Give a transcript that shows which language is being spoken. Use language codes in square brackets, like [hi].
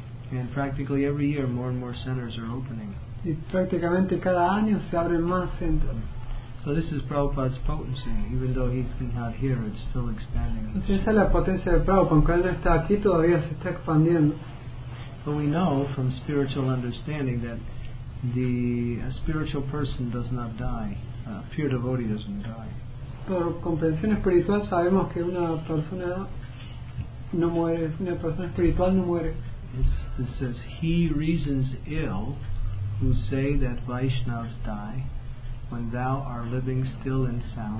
[en] And practically every year, more and more centers are opening. [es] Y prácticamente cada año se abren más centros. [en] So this is Prabhupada's potency, even though he's not here, it's still expanding. [es] Entonces esa es la potencia de Prabhupada, aunque él no está aquí, todavía se está expandiendo. [en] But we know from spiritual understanding that a spiritual person does not die. A pure devotee doesn't die. [es] Por comprensión espiritual sabemos que una persona no muere, una persona espiritual no muere. [en] It says he reasons ill who say that Vaishnavas die when thou are living still and sound.